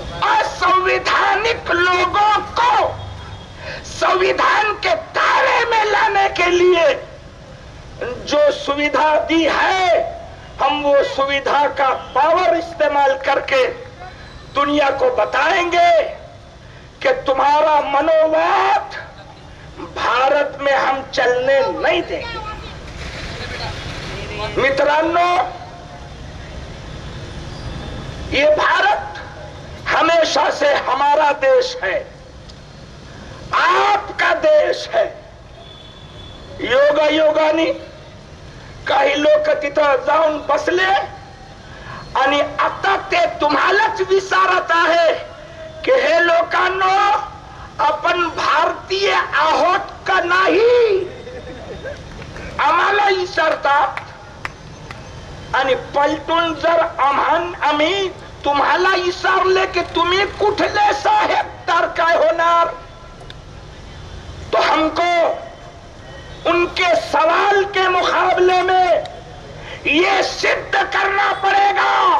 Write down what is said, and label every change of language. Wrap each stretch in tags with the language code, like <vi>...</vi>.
<hi>असंवैधानिक लोगों को संविधान के दायरे में लाने के लिए जो सुविधा दी है, हम वो सुविधा का पावर इस्तेमाल करके दुनिया को बताएंगे कि तुम्हारा मनोवाद भारत में हम चलने नहीं देंगे। मित्रांनो, ये भारत हमेशा से हमारा देश है, आपका देश है।</hi> <mr>योगा योगानी काही लोक तिथं जाऊन बसले आणि आता ते तुम्हालाच विचारत आहे कि हे लोकांनो, आपण भारतीय आहोत का नाही। आम्हाला विचारतात आणि पलटून जर आम्हान आम्ही तुम्हाला इचारले की तुम्ही कुठले साहेब तर काय होणार,</mr> <hi>तो हमको उनके सवाल के मुकाबले में ये सिद्ध करना पड़ेगा</hi>